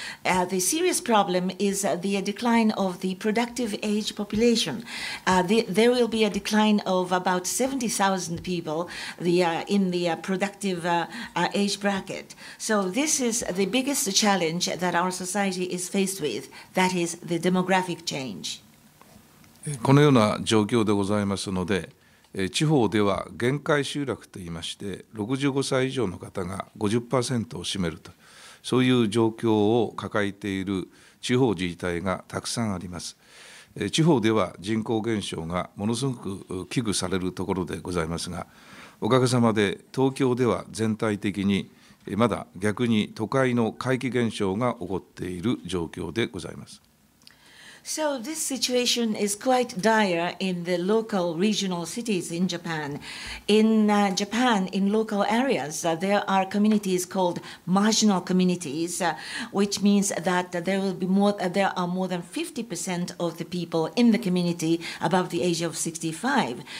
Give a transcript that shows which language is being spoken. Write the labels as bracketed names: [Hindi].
[English] The serious problem is the decline of the productive age population. There will be a decline of about 70,000 people in the the productive age bracket. So this is the biggest challenge that our society is faced with, that is the demographic change. [Japanese] このような状況でございますので、地方では限界集落といいまして、65歳以上の方が 50% を占めると、そういう状況を抱えている地方自治体がたくさんあります。地方では人口減少がものすごく危惧されるところでございますが、おかげさまで東京では全体的にまだ逆に都会の怪奇現象が起こっている状況でございます。 [English] So this situation is quite dire in the local regional cities in Japan. In Japan, in local areas, there are communities called marginal communities, which means that there will be more, there are more than 50% of the people in the community above the age of 65.